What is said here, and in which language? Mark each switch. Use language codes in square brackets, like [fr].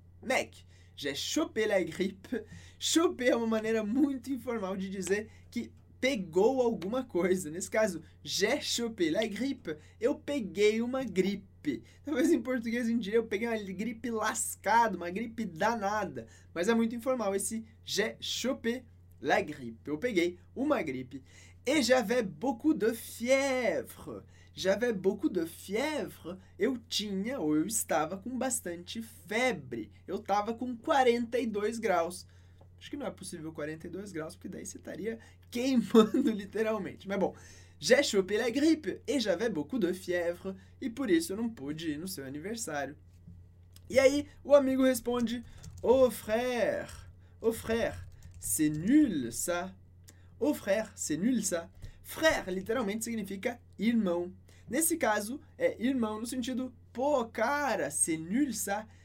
[fr] Mec, j'ai chopé la grippe. [pt] Chopé é uma maneira muito informal de dizer que pegou alguma coisa. Nesse caso, [fr] j'ai chopé la grippe, [pt] eu peguei uma gripe. Talvez em português a gente diria, eu peguei uma gripe lascada, uma gripe danada. Mas é muito informal esse [fr] j'ai chopé la grippe, [pt] eu peguei uma gripe. [fr] Et j'avais beaucoup de fièvre. J'avais beaucoup de fièvre. [pt] Eu tinha ou eu estava com bastante febre. Eu estava com 42 graus. Acho que não é possível 42 graus, porque daí você estaria queimando literalmente. [fr] Mas bom, j'ai chopé la grippe et j'avais beaucoup de fièvre. [pt] E por isso eu não pude ir no seu aniversário. E aí o amigo responde: [fr] oh frère, c'est nul ça. Oh frère, c'est nul ça. [pt] Frère literalmente significa irmão. Nesse caso, é irmão no sentido, pô cara, [fr] c'est nul ça.